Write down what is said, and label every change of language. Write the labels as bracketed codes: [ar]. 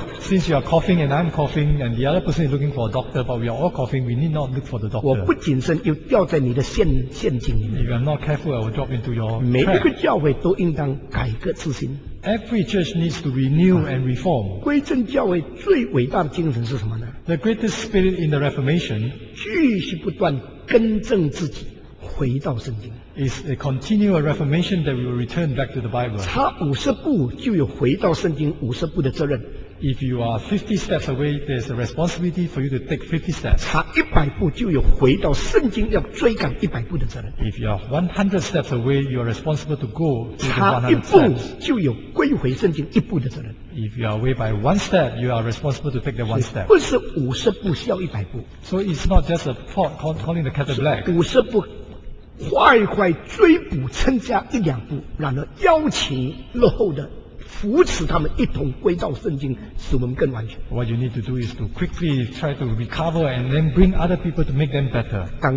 [en] since you are coughing and I'm coughing and the other person is looking for a doctor, but we are all coughing, we need not look for the doctor. [zh] 我不谨慎, [en] if you are not careful, I will drop into your trap. [zh] 每一个教会都应当改革自新。 [en] Every church needs to renew and reform. [zh] 归正教会最伟大的精神是什么呢? [en] The greatest spirit in the Reformation [zh] 继续不断更正自己, 回到圣经。 [en] Is a continual reformation that we will return back to the Bible. [zh] 差50步就有回到圣经50步的责任。 [en] If you are 50 steps away, there's a responsibility for you to take 50 steps. [zh] 差100步就有回到圣经要追赶100步的责任。 [en] If you are 100 steps away, you are responsible to go to the 100 steps. If you are away by one step, you are responsible to take that one step. [zh] 不是50步需要100步。 [en] So it's not just a pot calling the kettle black. [zh] 50步 快快追捕，增加一两步，然后邀请落后的，扶持他们一同归到圣经，使我们更完全。 [en] What you need to do is to quickly try to recover and then bring other people to make them better.